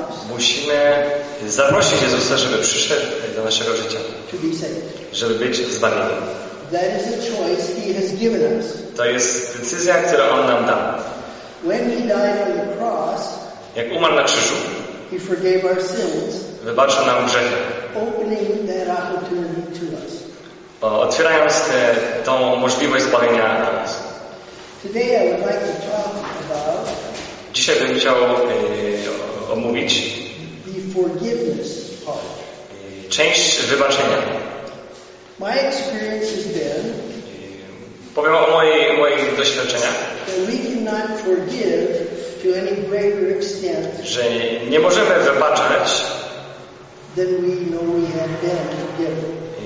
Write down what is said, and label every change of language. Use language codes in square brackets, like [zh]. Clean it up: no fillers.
[pl] Musimy zaprosić Jezusa, żeby przyszedł do naszego życia, żeby być zbawieni. [en] That is a choice he has given us. [pl] To jest decyzja, którą on nam dał. [en] When he died on the cross, [pl] jak umarł na krzyżu, [en] he forgave our sins, [pl] wybaczył nam grzechy, [en] opening that opportunity to us. [pl] Otwierając tą możliwość zbawienia dla nas. [en] Today I would like to talk about, [pl] dzisiaj bym chciał omówić [en] the forgiveness part. [pl] Część wybaczenia. [en] My experience has been, [pl] powiem o moich doświadczeniach, [en] that we cannot forgive to any greater extent, [pl] że nie możemy wybaczać, [en] than we know we have been forgiven.